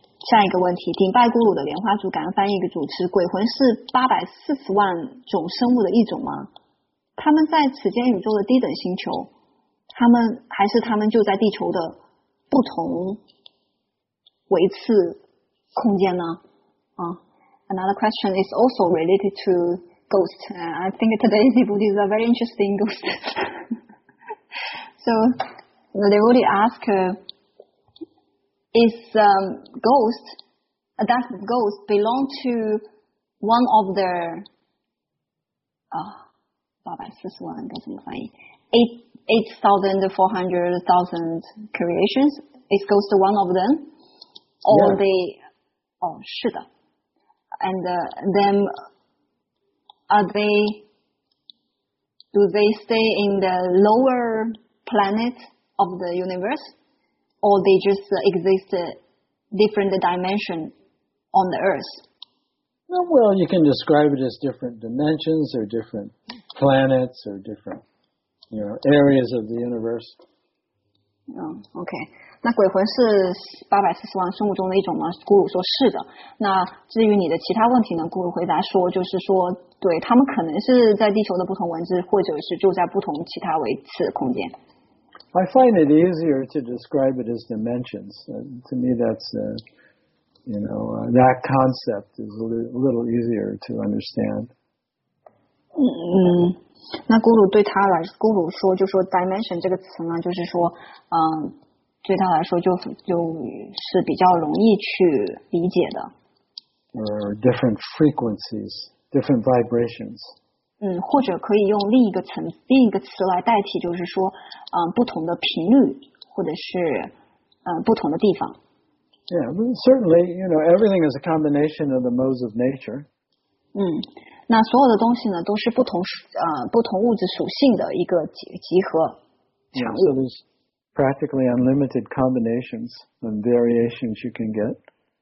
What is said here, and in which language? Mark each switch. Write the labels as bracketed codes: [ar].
[zh] 下一个问题，顶拜咕噜的莲花族感恩翻译的主持，鬼魂是840万种生物的一种吗？他们在此间宇宙的低等星球，他们还是他们就在地球的不同维次空间呢？ [en] 啊 ，Another question is also related to ghost. I think today's devotee is a very interesting ghost. So the devotee ask. Is ghost, does ghost belong to one of the, 8,400,000 creations? Is ghost one of them? Or yeah. they, oh, [zh] 是的 [en] And then, are they, do they stay in the lower planet of the universe? Or they just exist a different dimension on the Earth? Well, you can describe it as different dimensions or different planets or different, you know, areas of the universe. Okay. [zh] 那鬼魂是840万生物中的一种吗？咕噜说是的。那至于你的其他问题呢？咕噜回答说，就是说，对，他们可能是在地球的不同维次，或者是住在不同其他维次空间。 [en] I find it easier to describe it as dimensions. To me, that's, you know, that concept is a little easier to understand. [zh] 那咕噜对他来说，咕噜说就说 dimension 这个词呢，就是说，对他来说就是比较容易去理解的。 [en] Or different frequencies, different vibrations. [zh] 或者可以用另一个词来代替，就是说，不同的频率，或者是，不同的地方。 [en] Yeah, certainly, you know, everything is a combination of the modes of nature. [zh] 那所有的东西呢，都是不同物质属性的一个集合产物。 [en] Yeah, so there's practically unlimited combinations and variations you can get.